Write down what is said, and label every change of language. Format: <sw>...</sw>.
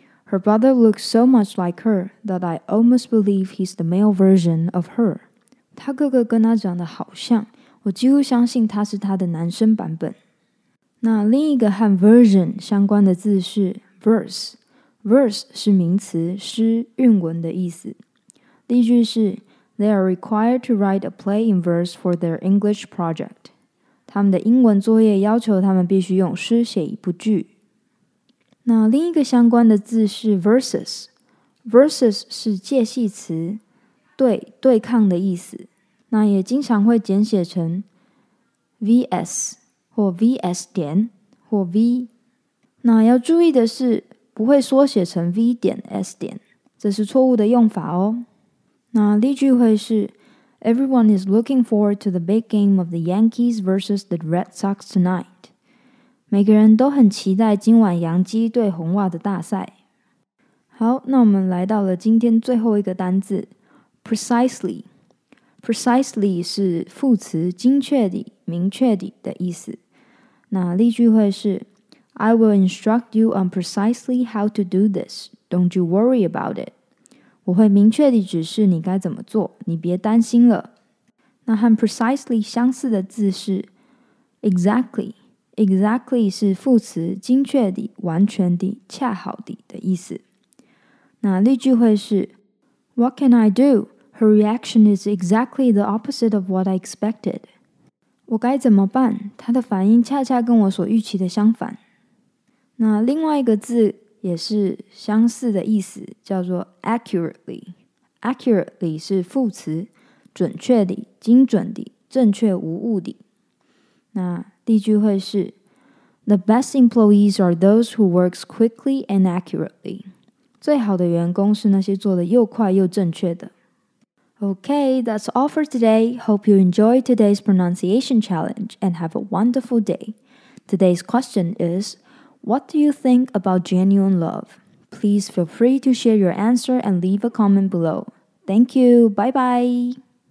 <en>Her brother looks so much like her that I almost believe he's the male version of her.</en> <zh>他哥哥跟他长得好像，我几乎相信他是他的男生版本。那另一个和 version 相关的字是 verse。 Verse 是名词，诗、韵文的意思。例句是</zh> <en>They are required to write a play in verse for their English project.</en> <zh>他们的英文作业要求他们必须用诗写一部剧。那另一个相关的字是 versus。Versus 是介系词，对、对抗的意思。那也经常会简写成 VS 或 VS 点或 V。那要注意的是不会缩写成 V 点 S 点，这是错误的用法哦。那例句会是</zh> <en>Everyone is looking forward to the big game of the Yankees versus the Red Sox tonight.</en> <zh>每个人都很期待今晚洋基对红袜的大赛。好，那我们来到了今天最后一个单字 Precisely. Precisely 是副词精确的、明确的的意思。那例句会是</zh> <en>I will instruct you on precisely how to do this. Don't you worry about it.</en> <zh>我会明确地指示你该怎么做，你别担心了。那和 precisely 相似的字是 exactly. Exactly 是副词，精确地、完全地、恰好地的意思。那例句会是</zh> <en>What can I do? Her reaction is exactly the opposite of what I expected.</en> <zh>我该怎么办？她的反应恰恰跟我所预期的相反。那另外一个字也是相似的意思，叫做 accurately。 accurately 是副词，准确的、精准的、正确无误的。那例句会是</zh> <en>The best employees are those who work quickly and accurately.</en> <zh>最好的员工是那些做得又快又正确的。</zh> <en>Okay, that's all for today. Hope you enjoy today's pronunciation challenge and have a wonderful day. Today's question is,What do you think about genuine love? Please feel free to share your answer and leave a comment below. Thank you. Bye-bye.</en>